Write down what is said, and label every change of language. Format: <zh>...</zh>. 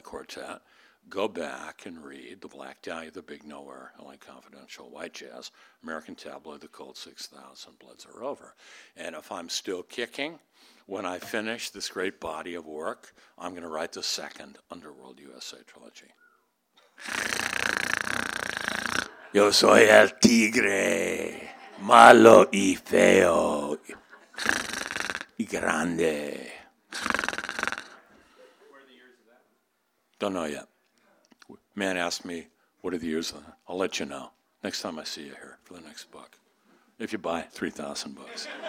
<en>Quartet. Go back and read The Black Dahlia, The Big Nowhere, L.A. Confidential, White Jazz, American Tabloid, The Cold 6000, Bloods Are Over. And if I'm still kicking, when I finish this great body of work, I'm going to write the second Underworld USA trilogy.</en> <es>Yo soy el tigre, malo y feo, y grande.</es> <en>What are the years of that? Don't know yet. Man asked me, what are the years of that? I'll let you know next time I see you here for the next book. If you buy 3,000 books.</en>